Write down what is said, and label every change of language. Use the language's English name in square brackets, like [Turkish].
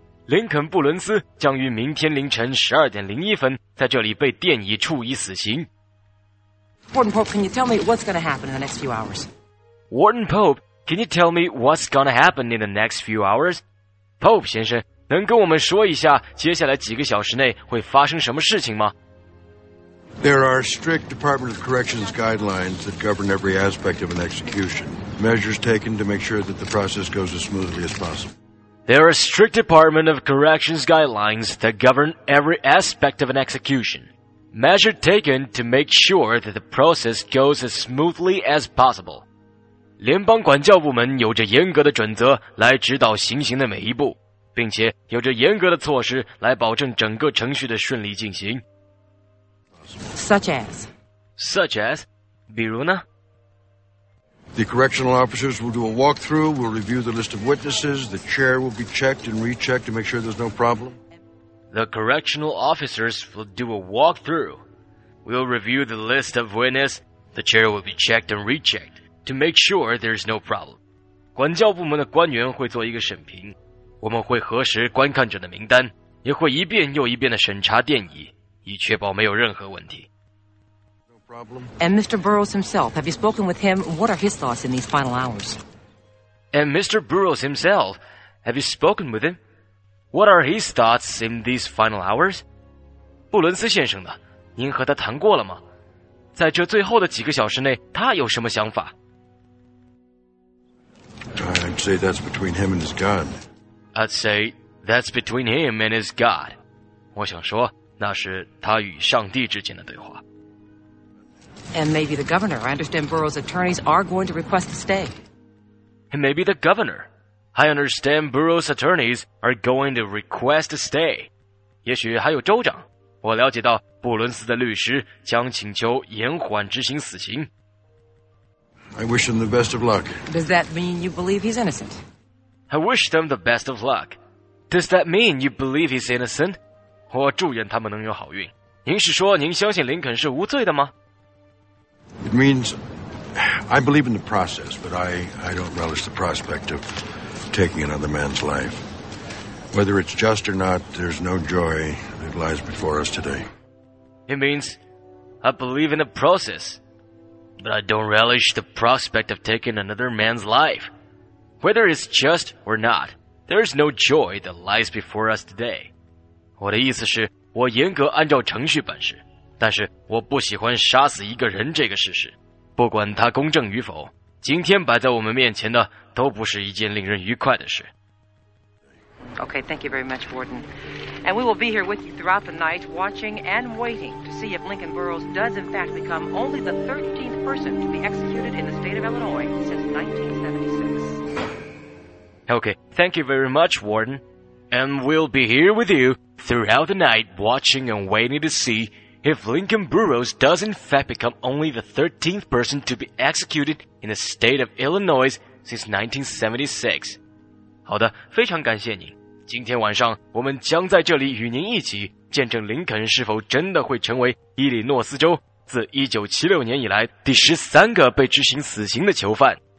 [Chinese] 林肯·布伦斯将于明天凌晨12:01在这里被电椅处以死刑。 [English] Warden Pope, can you tell me what's going to happen in the next few hours? Warden Pope, can you tell me what's going to happen in the next few hours? [Chinese] Pope 先生能跟我们说一下接下来几个小时内会发生什么事情吗？ [English] There are strict Department of Corrections guidelines that govern every aspect of an execution. Measures taken to make sure that the process goes as smoothly as possible. There are strict Department of Corrections guidelines that govern every aspect of an execution. Measures taken to make sure that the process goes as smoothly as possible. [Chinese] 联邦管教部门有着严格的准则来指导行刑的每一步。并且有着严格的措施来保证整个程序的顺利进行。 [English] Such as? [Chinese] 比如呢？ [English] The correctional officers will do a walkthrough, will review the list of witnesses, the chair will be checked and rechecked to make sure there's no problem. The correctional officers will do a walkthrough, will review the list of witnesses, the chair will be checked and rechecked to make sure there's no problem. [Chinese] 管教部门的官员会做一个审评，我们会核实观看者的名单，也会一遍又一遍地审查电椅，以确保没有任何问题。 [English] No problem. And Mr. Burrows himself, have you spoken with him? What are his thoughts in these final hours? And Mr. Burrows himself, have you spoken with him? What are his thoughts in these final hours? [Chinese] 布伦斯先生呢？您和他谈过了吗？在这最后的几个小时内，他有什么想法？ [English] I'd say that's between him and his God. I'd say that's between him and his God. [Chinese] 我想说，那是他与上帝之间的对话。 [English] And maybe the governor. I understand Burrows' attorneys are going to request a stay. And maybe the governor. I understand Burrows' attorneys are going to request a stay. [Chinese] 也许还有州长。我了解到布伦斯的律师将请求延缓执行死刑。 [English] I wish him the best of luck. Does that mean you believe he's innocent? I wish them the best of luck. Does that mean you believe he's innocent? [Chinese] 我祝愿他们能有好运。您是说您相信林肯是无罪的吗？ [English] It means I believe in the process, but I don't relish the prospect of taking another man's life. Whether it's just or not, there's no joy that lies before us today. It means I believe in the process, but I don't relish the prospect of taking another man's life. Whether it's just or not, there's no joy that lies before us today. [Chinese] 我的意思是，我严格按照程序办事，但是我不喜欢杀死一个人这个事实。不管它公正与否，今天摆在我们面前的都不是一件令人愉快的事。 [English] Okay, thank you very much, Warden. And we will be here with you throughout the night, watching and waiting to see if Lincoln Burroughs does in fact become only the 13th person to be executed in the state of Illinois since 1976. Okay, thank you very much, Warden. And we'll be here with you throughout the night, watching and waiting to see if Lincoln Burroughs does in fact become only the 13th person to be executed in the state of Illinois since 1976. [Chinese] 好的，非常感谢您。今天晚上我们将在这里与您一起见证林肯是否真的会成为伊利诺斯州自1976年以来第13个被执行死刑的囚犯。